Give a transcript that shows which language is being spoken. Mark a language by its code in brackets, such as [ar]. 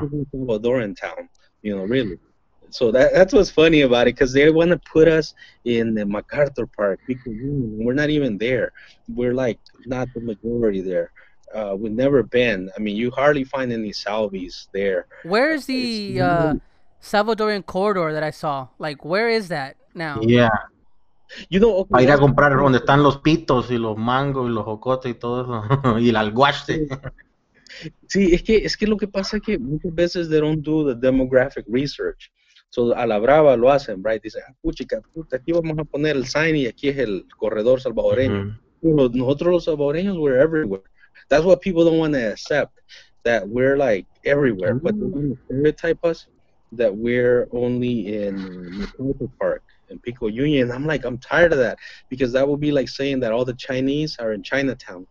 [en] But it's Salvadoran town, you know, really. So that's what's funny about it, because they want to put us in the MacArthur Park. We're not even there. We're, like, not the majority there. We've never been. I mean, you hardly find any Salvis there. Where is the Salvadorian corridor that I saw? Like, where is that now? Yeah. You know, [es] okay, ir a comprar donde están los pitos y los mangos y los jocotes y todo eso. Y el alguaste. Sí, es que lo que pasa es que muchas veces [en] they don't do the demographic research. [es] So a la brava lo hacen, [en] right? [es] Dicen, puchica, puta, aquí vamos a poner el sign y aquí es el corredor salvadoreño. Mm-hmm. Nosotros los salvadoreños, [en] we're everywhere. That's what people don't want to accept, that we're like everywhere. Mm-hmm. But they want to stereotype us that we're only in MacArthur Park and Pico Union. I'm like, I'm tired of that, because that would be like saying that all the Chinese are in Chinatown.